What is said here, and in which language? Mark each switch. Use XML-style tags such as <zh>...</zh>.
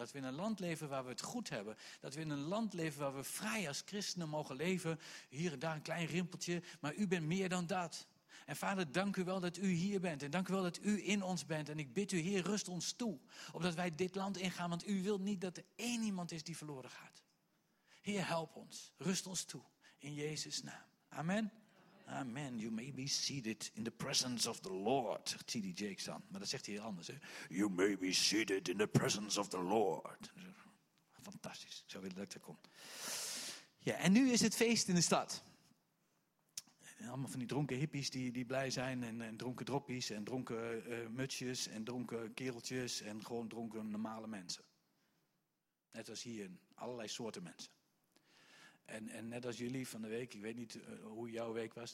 <nl>Dat we in een land leven waar we het goed hebben. Dat we in een land leven waar we vrij als christenen mogen leven. Hier en daar een klein rimpeltje, maar u bent meer dan dat. En Vader, dank u wel dat u hier bent. En dank u wel dat u in ons bent. En ik bid u, Heer, rust ons toe. Opdat wij dit land ingaan, want u wilt niet dat er één iemand is die verloren gaat. Heer, help ons. Rust ons toe. In Jezus' naam. Amen.</nl> <en>Amen, you may be seated in the presence of the Lord,</en> <nl>zegt</nl> <en>T.D.</en> <nl>Jakes dan. Maar dat zegt hij heel anders, hè.</nl> <en>You may be seated in the presence of the Lord.</en> <nl>Fantastisch, zo wil dat ik er kom. Ja, en nu is het feest in de stad. Allemaal van die dronken hippies die blij zijn en dronken droppies en dronken mutsjes en dronken kereltjes en gewoon dronken normale mensen. Net als hier, allerlei soorten mensen. En net als jullie van de week, ik weet niet hoe jouw week was.</nl>